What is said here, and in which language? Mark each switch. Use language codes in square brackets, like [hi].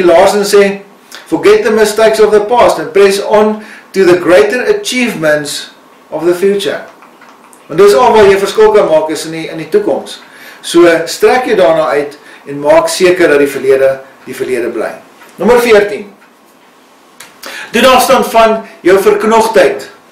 [en] Larson [af] sê, [en] forget the mistakes of the past and press on to the greater achievements of the future. [af] Want dis al wat jy verskil kan maak is in die toekoms. So, strek jy daarna uit en maak seker dat die verlede bly. Nommer 14. Doen afstand van jou verknogtheid.